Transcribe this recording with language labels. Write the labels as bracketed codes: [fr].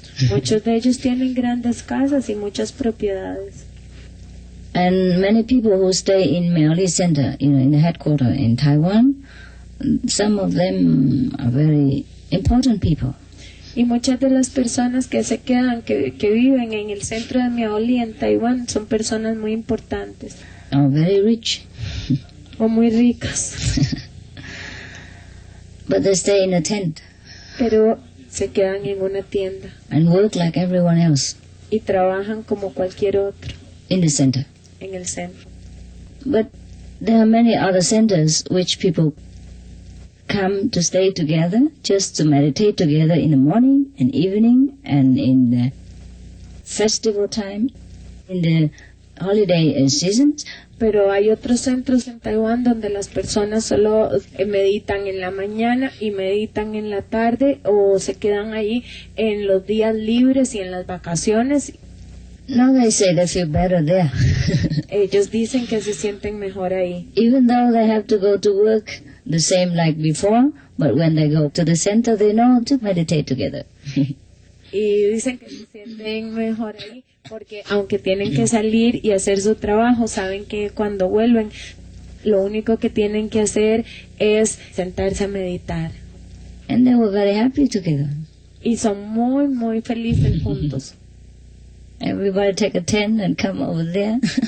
[es] Muchos de ellos tienen grandes casas y muchas propiedades. [en] And many people who stay in Miaoli Center, you know, in the headquarter in Taiwan, some of them are very important people. [es] Y muchas de las personas que se quedan, que viven en el centro de Miaoli, en Taiwán, son personas muy importantes. [en] Or very rich. [es] O muy ricas. [en] But they stay in a tent. [es] Pero se quedan en una tienda. [en] And work like everyone else. [es] Y trabajan como cualquier otro. [en] In the center. [es] En el centro. [en] But there are many other centers which people come to stay together, just to meditate together in the morning and evening and in the festival time, in the holiday seasons. [es] Pero hay otros centros en Taiwán donde las personas solo meditan en la mañana y meditan en la tarde o se quedan ahí en los días libres y en las vacaciones. [en] No, they say they feel better there. [es] Ellos dicen que se sienten mejor ahí. [en] Even though they have to go to work the same like before, but when they go to the center, they know to meditate together. [es] Y dicen que se sienten mejor ahí porque aunque tienen que salir y hacer su trabajo, saben que cuando vuelven, lo único que tienen que hacer es sentarse a meditar. [en] And they were very happy together. [es] Y son muy, muy felices juntos. [en] Everybody take a tent and come over there.